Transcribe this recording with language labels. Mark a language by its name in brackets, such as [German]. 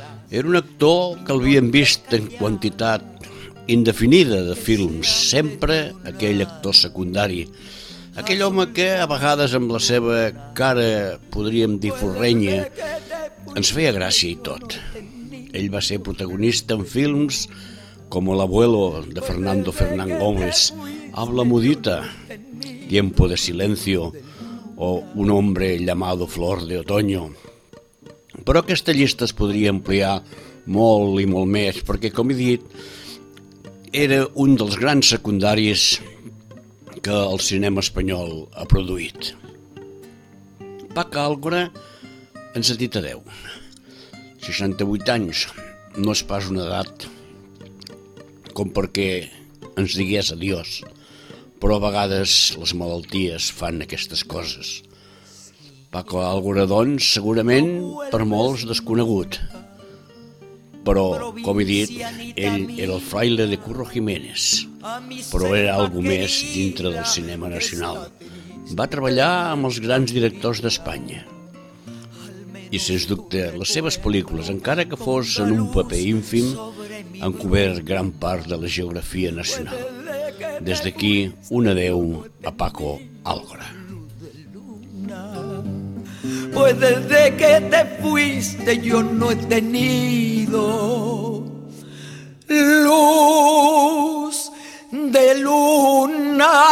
[Catalan] Era un actor que l'havien vist en quantitat indefinida de films, sempre aquell actor secundari, aquell home que a vegades amb la seva cara, podríem dir forrenya, ens feia gràcia i tot. Ell va ser protagonista en films com L'Abuelo, de Fernando Fernán Gómez, Habla Mudita, Tiempo de Silencio, o Un Hombre Llamado Flor de Otoño. Però aquesta llista es podria ampliar molt i molt més, perquè, com he dit, era un dels grans secundaris que el cinema espanyol ha produït. Paco Álgora ens ha dit adeu. 68 anys no és pas una edat com perquè ens digués adiós, però a vegades les malalties fan aquestes coses. Paco Álgora, doncs, segurament per molts desconegut, però, com he dit, ell era el fraile de Curro Jiménez, però era algo més dintre del cinema nacional. Va treballar amb els grans directors d'Espanya i, sens dubte, les seves pel·lícules, encara que fos en un paper ínfim, han cobert gran part de la geografia nacional. Des d'aquí, un adeu a Paco Álgora. [Spanish] Pues desde que te fuiste yo no he tenido luz de luna.